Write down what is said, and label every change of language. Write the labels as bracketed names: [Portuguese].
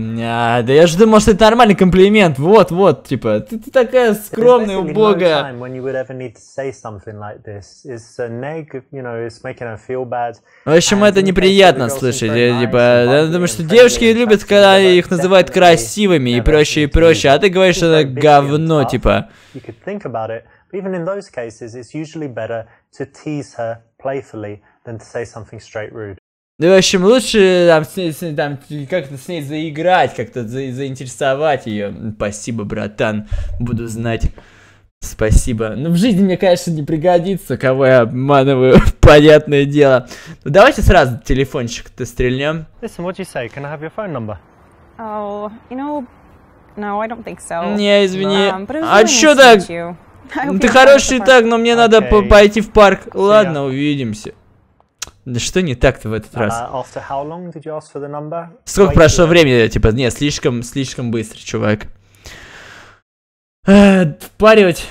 [Russian] Да я же думал, что это нормальный комплимент. Вот, вот, типа, ты такая скромная, убогая. В общем, это неприятно слышать. Типа, я думаю, что девушки любят, когда их называют красивыми и прочее, и прочее. А ты говоришь, что это говно, типа. [English] Even in those cases, it's usually better to tease her playfully than to say something straight rude. [Russian] Ну, в общем, лучше там, как-то с ней заиграть, как-то заинтересовать ее. Спасибо, братан, буду знать. Спасибо. Ну, в жизни мне, конечно, не пригодится, кого я обманываю, понятное дело. Ну, давайте сразу телефончик-то стрельнем. [English] Listen, what do you say? Can I have your phone number? Oh, you know, no, I don't think so. [Russian] Не, извини. А чё так? Ты хороший и так, но мне надо пойти в парк. Ладно, увидимся. Да что не так-то в этот раз? Сколько прошло времени? Типа, не, слишком быстро, чувак. Впаривать.